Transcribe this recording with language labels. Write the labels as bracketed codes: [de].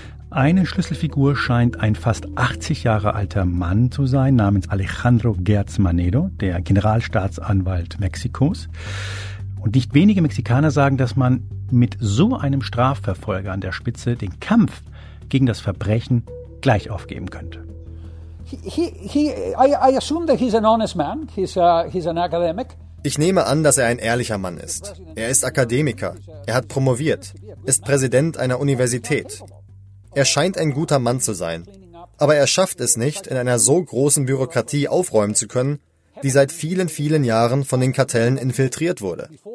[de] Eine Schlüsselfigur scheint ein fast 80 Jahre alter Mann zu sein, namens Alejandro Gertz Manero, der Generalstaatsanwalt Mexikos. Und nicht wenige Mexikaner sagen, dass man mit so einem Strafverfolger an der Spitze den Kampf gegen das Verbrechen gleich aufgeben könnte. [en] I assume that he's an honest man. He's an academic. [de] Ich nehme an, dass er ein ehrlicher Mann ist. Er ist Akademiker. Er hat promoviert. Ist Präsident einer Universität. Er scheint ein guter Mann zu sein. Aber er schafft es nicht, in einer so großen Bürokratie aufräumen zu können, die seit vielen, vielen Jahren von den Kartellen infiltriert wurde.